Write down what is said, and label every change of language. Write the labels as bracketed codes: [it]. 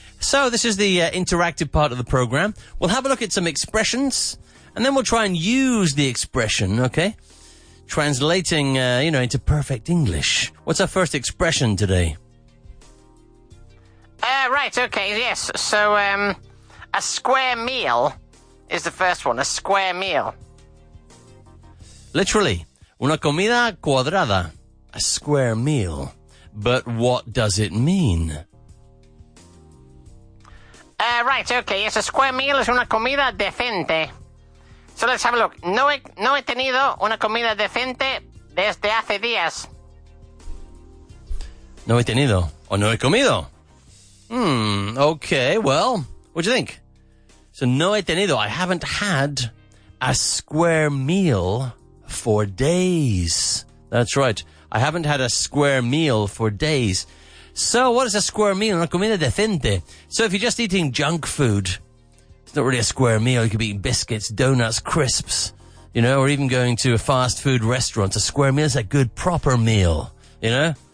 [en] So, this is the interactive part of the program. We'll have a look at some expressions, and then we'll try and use the expression, okay? Translating, into perfect English. What's our first expression today? Yes. So, a square meal is the first one. A square meal. [es] Literally, una comida cuadrada. [en] A square meal. But what does it mean? Yes, a square meal is [es] una comida decente. [en] So let's have a look. [es] No he tenido una comida decente desde hace días. No he tenido o no he comido. [en] Okay, well, what do you think? So, [es] no he tenido, [en] I haven't had a square meal for days. That's right, I haven't had a square meal for days. So, what is a square meal? [es] Una comida decente. [en] So, if you're just eating junk food, it's not really a square meal. You could be eating biscuits, donuts, crisps, you know, or even going to a fast food restaurant. A square meal is a good proper meal, you know?